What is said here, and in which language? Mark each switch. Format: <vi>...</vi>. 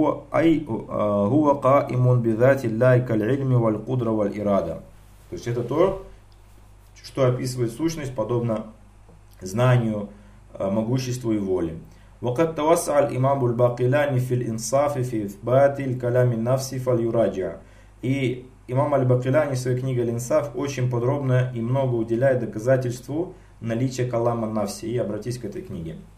<ar>Ай хуа ка имун бидати ляй каль ильми валь кудра валь ирада.</ar> <ru>То есть это то, что описывает сущность, подобно знанию, могуществу и воле.</ru> <ar>وقد توسع الإمام الباقلاني في الإنصاف في إثبات الكلام النفسي فليراجع.</ar> <ru>И имам аль-Бакилани в своей книге «Линсаф» очень подробно и много уделяет доказательству наличия калама нафси. И обратись к этой книге.</ru>